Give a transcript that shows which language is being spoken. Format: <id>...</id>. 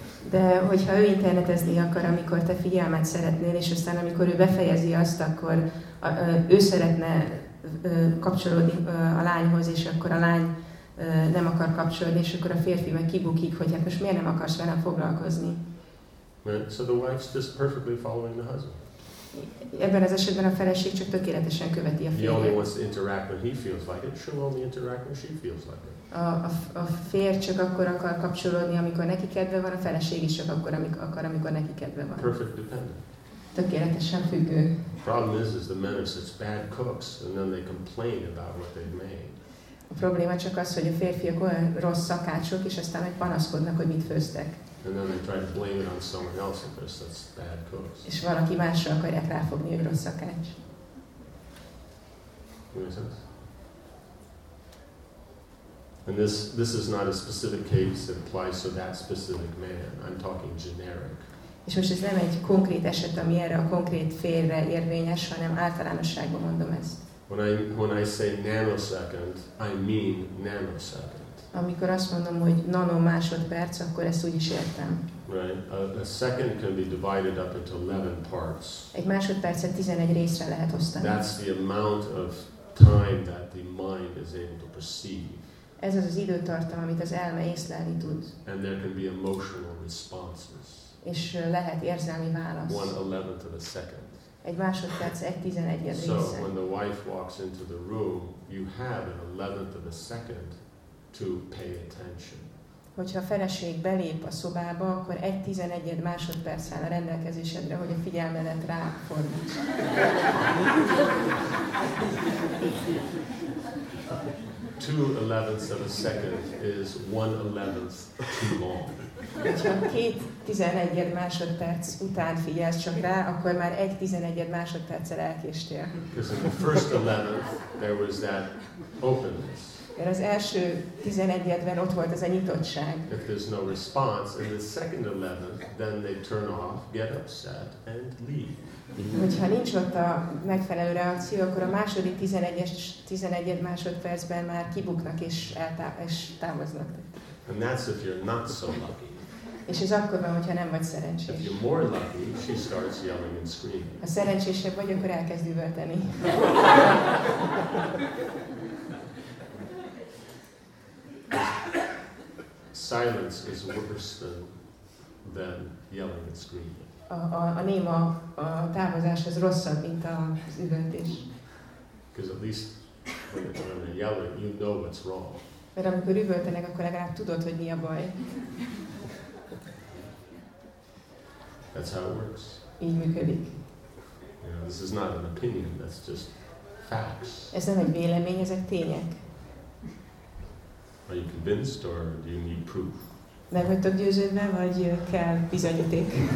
<hu>De hogyha ő internetezni akar, amikor te figyelmet szeretnél, és aztán amikor ő befejezi azt, akkor ő szeretne kapcsolódni a lányhoz, és akkor a lány nem akar kapcsolódni, és akkor a férfi meg kibukik, hogy hát most miért nem akarsz velem foglalkozni.</hu> <en>So the wife's just perfectly following the husband.</en> <hu>Ebben az esetben a feleség csak tökéletesen követi a férjét.</hu> <en>He only wants to interact when he feels like it. She'll only interact when she feels like it.</en> <hu>A férj csak akkor akar kapcsolódni, amikor neki kedve van, a feleség is csak akkor akar, amikor neki kedve van.</hu> <en>Perfect dependent.</en> <hu>Tökéletesen függő.</hu> <en>The problem is the men are such bad cooks, and then they complain about what they've made.</en> <hu>A probléma csak az, hogy a férfiak olyan rossz szakácsok, és aztán meg panaszkodnak, hogy mit főztek.</hu> <en>And then they try to blame it on someone else if they're such bad cooks.</en> <hu>És valaki másra akarják ráfogni, hogy rossz szakács.</hu> <en>And this is not a specific case that applies to that specific man. I'm talking generic.</en> <hu>És most ez nem egy konkrét eset, ami erre a konkrét férre érvényes, hanem általánosságban mondom ezt.</hu> <en>When I say nanosecond, I mean nanosecond.</en> <hu>Amikor azt mondom, hogy nanomásodperc, akkor ezt úgy is értem.</hu> <en>Right. A second can be divided up into 11 parts.</en> <hu>Egy másodpercet 11 részre lehet osztani.</hu> <en>That's the amount of time that the mind is able to perceive.</en> <hu>Ez az az időtartam, amit az elme észlelni tud.</hu> <en>And there can be emotional responses.</en> <hu>És lehet érzelmi válasz.</hu> <en>1/11 of a second.</en> <hu>Egy másodperc 1/11 része.</hu> <en>So when the wife walks into the room, you have an 1/11 of a second to pay attention.</en> <hu>hogyha a feleség belép a szobába, akkor 1/11 másodperc áll a rendelkezésedre, hogy a figyelmedet ráfordíts.</hu> <en>Two elevenths of a second is 1/11 too long.</en> <hu>Hogyha 2/11 másodperc után figyelsz csak rá, akkor már 1/11 másodperccel elkéstél.</hu> <en>Because in the first 11th there was that openness.</en> <hu>Mert az első 11-edben ott volt az a nyitottság.</hu> <en>If there's no response in the second 11th, then they turn off, get upset, and leave.</en> <hu>Hogyha nincs ott a megfelelő reakció, akkor a második 11-es másodpercben már kibuknak és távoznak.</hu> <en>And that's if you're not so lucky.</en> <hu>És ez akkor van, hogyha nem vagy szerencsés.</hu> <en>If you're more lucky, she starts yelling and screaming.</en> <hu>Ha szerencsésebb vagy, akkor elkezd üvölteni.</hu> <en>Silence is worse than yelling and screaming.</en> <hu>A néma, a távozás az rosszabb, mint az üvöltés.</hu> <en>Because at least when they're yelling, you know what's wrong.</en> <hu>Mert amikor üvöltenek, akkor legalább tudod, hogy mi a baj.</hu> <en>That's how it works.</en> <hu>Így működik.</hu> <en>You know, this is not an opinion, that's just facts.</en> <hu>Ez nem egy vélemény, ezek tények.</hu> <en>Are you convinced or do you need proof?</en> <hu>Meg vagytok győződve, vagy kell bizonyíték?</hu>